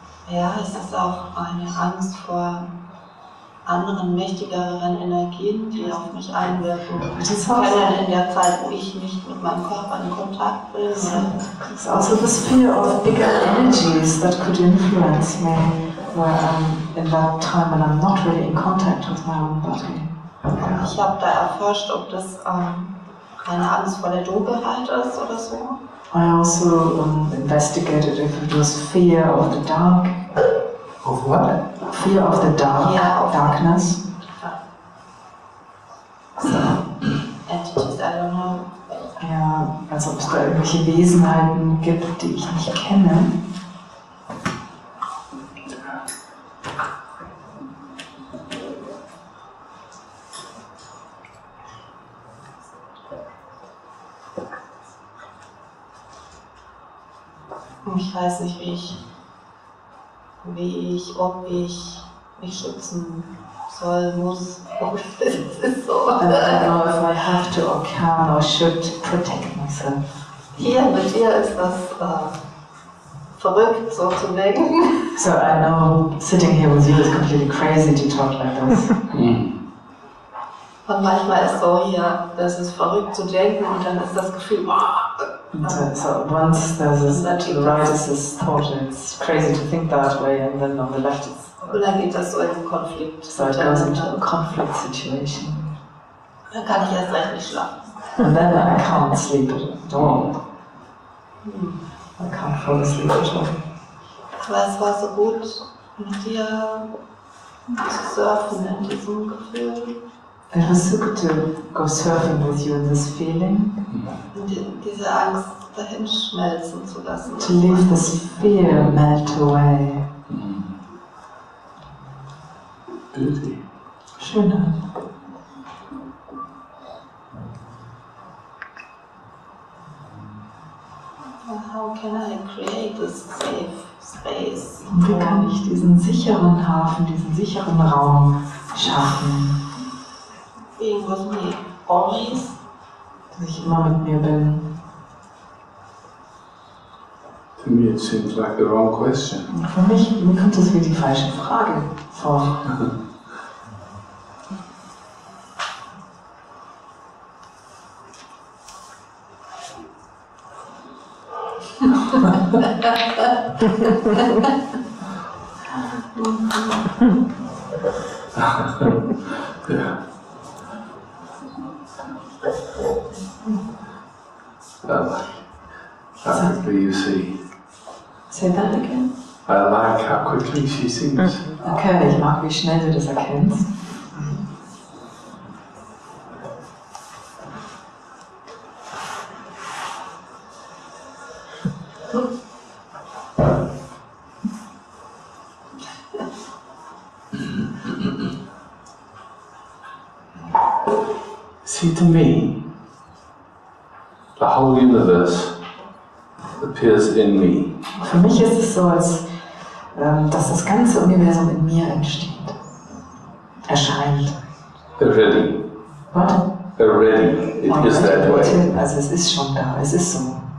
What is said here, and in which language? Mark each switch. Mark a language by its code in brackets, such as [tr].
[de] Ja, es ist auch eine Angst vor anderen, mächtigeren Energien, die auf mich einwirken. Das ist ja in der Zeit, wo ich nicht mit meinem Körper in Kontakt bin. Es ist auch so das [en] Fear of bigger energies that could influence me, where I'm in that time and I'm not really in contact with my own body. [de] Ich habe da erforscht, ob das eine Angst vor der Dunkelheit ist oder so. [en] I also investigated if it was fear of the dark. Of what? Fear of the dark. Yeah, of darkness. Entities, I don't know. [de] Ja, als ob es da irgendwelche Wesenheiten gibt, die ich nicht kenne. Ich weiß nicht, ob ich mich schützen soll, muss. Es ist so. [en] I don't know if I have to or can or should protect myself. [de] Hier mit dir ist das verrückt, so zu denken. [en] So I know sitting here with you is completely crazy to talk like this. [de] Und manchmal ist so hier, das ist verrückt zu denken und dann ist das Gefühl, [en] So once there's a right thought, it's crazy to think that way, and then on the left it's... [de] Und dann geht das so in Konflikt. [en] So it goes into a conflict situation. [de] Dann kann ich erst recht nicht schlafen. [en] And then I can't sleep at all. I can't fall asleep at all. [de] Aber es war so gut, mit dir zu surfen in diesem Gefühl. [en] It was so good to go surfing with you in this feeling. [de] Diese Angst dahin schmelzen zu lassen. [en] To leave this fear melt away. Beauty. [de] Schöner. [en] How can I create this safe space? [de] Und wie kann ich diesen sicheren Hafen, diesen sicheren Raum schaffen? [en] Being with me always. [de] Dass ich immer mit mir bin. [en] To me it seems like the wrong question. [de] Für mich kommt das wie die falsche Frage vor. Ja. [en] How quickly you see. Say that again. I like how quickly she sees. [de] Okay, ich mag, wie schnell du das erkennst. [en] See, to me, the whole universe appears in me. [de] Für mich ist es so, als dass das ganze Universum in mir entsteht, erscheint. [en] Already. What? Already. It is that way. [de] Also es ist schon da, es ist so.